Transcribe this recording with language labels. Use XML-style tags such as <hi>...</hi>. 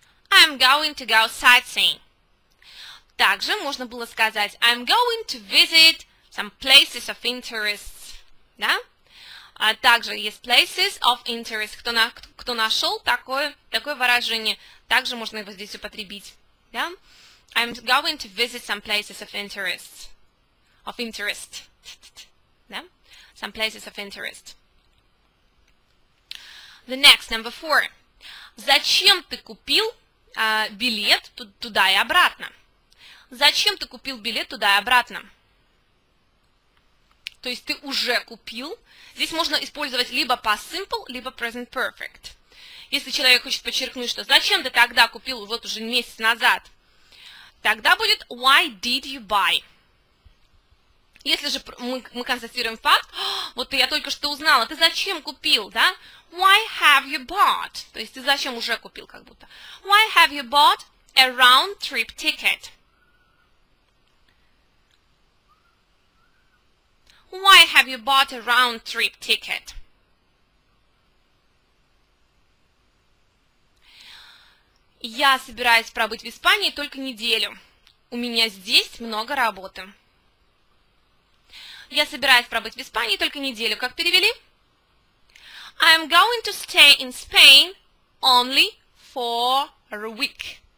<en>I'm going to go sightseeing.</en> <ru>Также можно было сказать</ru> <en>I'm going to visit some places of interest.</en> <ru>Да? Также есть</ru> <en>places of interest.</en> <ru>Кто нашел такое выражение, также можно его здесь употребить.</ru> <en>Yeah? I'm going to visit some places of interest. Of interest. Yeah? Some places of interest. The next, number four.</en> <ru>Зачем ты купил билет туда и обратно? Зачем ты купил билет туда и обратно? То есть ты уже купил. Здесь можно использовать либо past simple, либо present perfect. Если человек хочет подчеркнуть, что зачем ты тогда купил вот уже месяц назад, тогда будет</ru> <en>why did you buy?</en> <ru>Если же мы констатируем факт, вот я только что узнала, ты зачем купил, да?</ru> <en>Why have you bought?</en> <ru>То есть ты зачем уже купил как будто.</ru> <en>Why have you bought a round trip ticket? Why have you bought a round trip ticket?</en> <ru>Я собираюсь пробыть в Испании только неделю. У меня здесь много работы. Я собираюсь пробыть в Испании только неделю. Как перевели?</ru> <en>I am going to stay in Spain only for a week.</en>